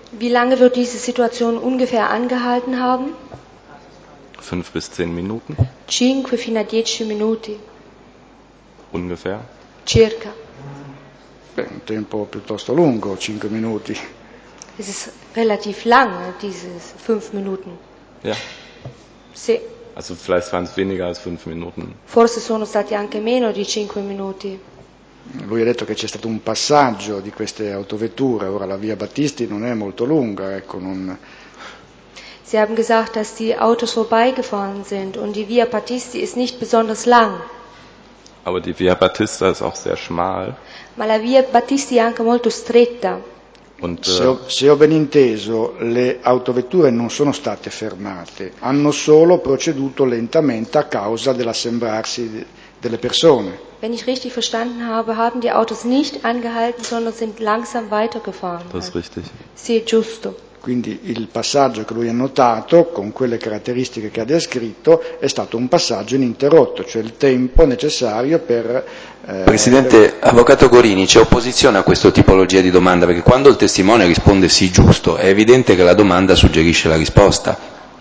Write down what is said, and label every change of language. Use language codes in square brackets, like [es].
[de] Wie lange wird diese Situation ungefähr angehalten haben? 5 bis 10 Minuten. [it] 5 fino a 10 minuti. [de] Ungefähr. [it] Circa. Beh, un tempo piuttosto lungo, 5 minuti. [de] Es ist relativ lang, diese 5 Minuten. Ja. [it] Sì. [de] Also vielleicht waren es weniger als 5 Minuten. Forse sono stati anche meno di 5 minuti. [it] Lui ha detto che c'è stato un passaggio di queste autovetture, ora la via Battisti non è molto lunga, ecco, non... [de] Sie haben gesagt, dass die Autos vorbeigefahren sind und die Via Battisti ist nicht besonders lang. Aber die Via Battista ist auch sehr schmal. [it] Ma la Via Battisti è anche molto stretta. Und, se ho ben inteso, le autovetture non sono state fermate, hanno solo proceduto lentamente a causa dell'assemblarsi delle persone. [de] Wenn ich richtig verstanden habe, haben die Autos nicht angehalten, sondern sind langsam weitergefahren. Das ist richtig. [it] Sì, giusto. Quindi il passaggio che lui ha notato, con quelle caratteristiche che ha descritto, è stato un passaggio ininterrotto, cioè il tempo necessario per... Presidente, avvocato Gorini, c'è opposizione a questa tipologia di domanda, perché quando il testimone risponde sì, giusto, è evidente che la domanda suggerisce la risposta.